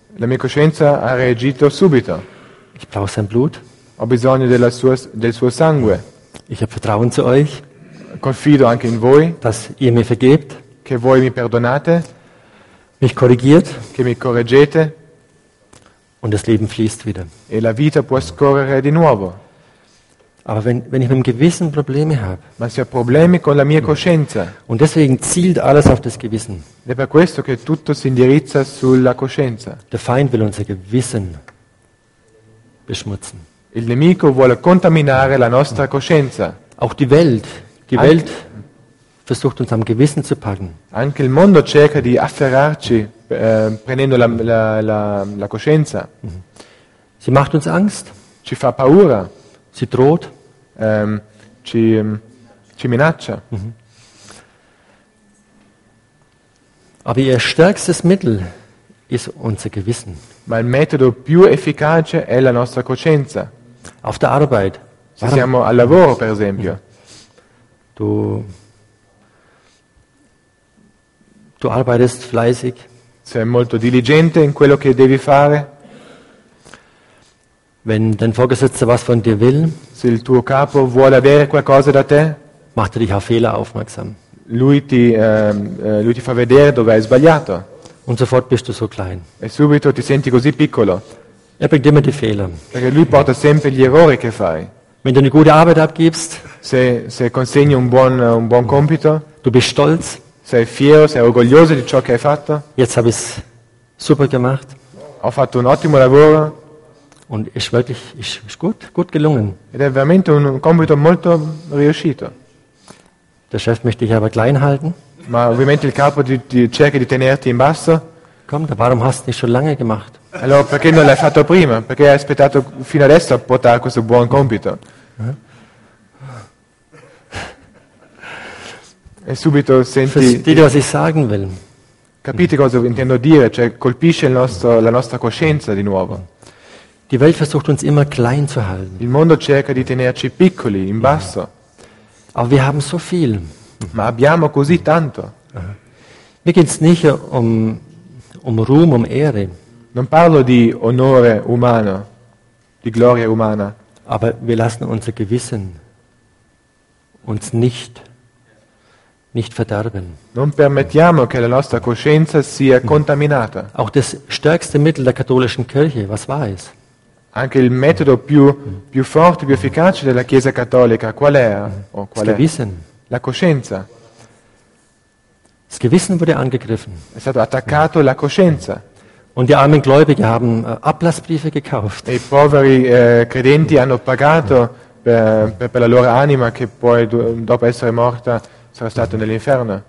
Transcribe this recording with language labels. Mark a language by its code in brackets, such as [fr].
[it] La mia coscienza ha reagito subito. [de] Ich brauche sein Blut. [it] Ho bisogno del suo sangue. [de] Ich habe Vertrauen zu euch. [it] Confido anche in voi. [de] Dass ihr mir vergebt. [it] Che voi mi perdonate. [de] Mich korrigiert. [it] Che mi correggete. [de] Und das Leben fließt wieder. [it] E la vita può scorrere di nuovo. [de] Aber wenn ich mit dem Gewissen Probleme habe. [it] Ma se ho problemi con la mia coscienza. [de] Und deswegen zielt alles auf das Gewissen. [it] Ed è per questo che tutto si indirizza sulla coscienza. [de] Der Feind will unser Gewissen beschmutzen. [it] Il nemico vuole contaminare la nostra coscienza. [de] Auch die Welt. Die Welt versucht uns am Gewissen zu packen. [it] Anche il mondo cerca di afferrarci prendendo la coscienza. [de] Sie macht uns Angst. [it] Ci fa paura. [de] Sie droht. [it] Ci minaccia. [de] Aber ihr stärkstes Mittel ist unser Gewissen. [it] Ma il metodo più efficace è la nostra coscienza. [de] Auf der Arbeit. [it] Se siamo al lavoro, per esempio. [de] Du arbeitest fleißig. [it] Sei molto diligente in quello che devi fare. [de] Wenn dein Vorgesetzter was von dir will, [it] se il tuo capo vuole avere qualcosa da te, [de] macht er dich auf Fehler aufmerksam. [it] Lui ti fa vedere dove hai sbagliato. [de] Und sofort bist du so klein. [it] E subito ti senti così piccolo. [de] Er bringt immer die Fehler. [it] Perché lui porta sempre gli errori che fai. [de] Wenn du eine gute Arbeit abgibst, [it] se consegni un buon compito, [de] du bist stolz, [it] sei fiero, sei orgoglioso di ciò che hai fatto. [de] Jetzt habe ich super gemacht. [it] Ho fatto un ottimo lavoro. [de] Und ist wirklich ist gut gelungen. [it] Ed è veramente un compito molto riuscito. [de] Der Chef möchte dich aber klein halten. [it] Ma ovviamente il capo di cerca di tenerti in basso. [de] Komm, warum hast du nicht schon lange gemacht? [it] Allora, perché non l'hai fatto prima? Perché hai aspettato fino adesso a portare questo buon compito? E subito senti. [de] Verstehst du, was ich sagen will? [it] Capite cosa intendo dire? Cioè, colpisce la nostra coscienza di nuovo. [de] Die Welt versucht uns immer klein zu halten. [it] Il mondo cerca di tenerci piccoli, in basso. [de] Aber wir haben so viel. [it] Ma abbiamo così tanto. [de] Mir geht's nicht um Ruhm, um Ehre. [it] Non parlo di onore umano, di gloria umana. [de] Aber wir lassen unser Gewissen uns nicht verderben. [it] Non permettiamo che la nostra coscienza sia contaminata. [de] Auch das stärkste Mittel der katholischen Kirche, was war es? [it] Anche il metodo più forte, più efficace della Chiesa Cattolica, qual è? Qual è? Gewissen. La coscienza. [de] Das Gewissen wurde angegriffen. [it] È stato attaccato la coscienza. [de] Und die armen Gläubige haben Ablassbriefe gekauft. [it] E i poveri credenti hanno pagato per la loro anima che poi dopo essere morta sarà stata nell'inferno.